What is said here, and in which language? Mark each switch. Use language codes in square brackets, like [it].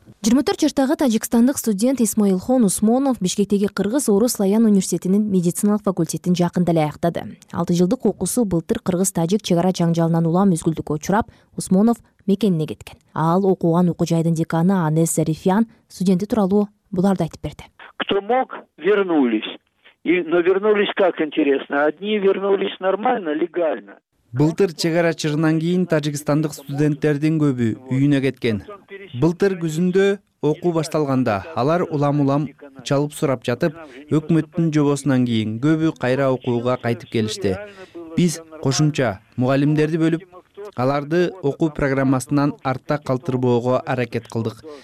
[ky] 24 жаштагы тажикстандык студент Исмаилхон Усмонов Бишкектеги Кыргыз-Орус-Лаян университетинин медициналык факультетин жакында эле аяктады. 6 жылдык окуусу былтыр кыргыз-тажик чек ара жаңжалынан улам үзгүлтүккө учурап, Усмонов мекенине кеткен. Ал окуган окуу жайдын деканы Анес Зарифян студенти тууралуу буларды айтып берди. [ru] Кто мог, вернулись. Но вернулись как интересно. Одни вернулись нормально, легально. [ky] Былтыр чек ара чыгынан кийин тажикстандык студенттердин көбү үйүнө кеткен. Былтыр күзүндө окуу башталганда алар улам-улам чалып сурап жатып, өкмөттүн жобосунан кийин көбү кайра окууга кайтып келишти. Биз кошумча мугалимдерди бөлүп, аларды окуу программасынан артта калтырбоого аракет кылдык.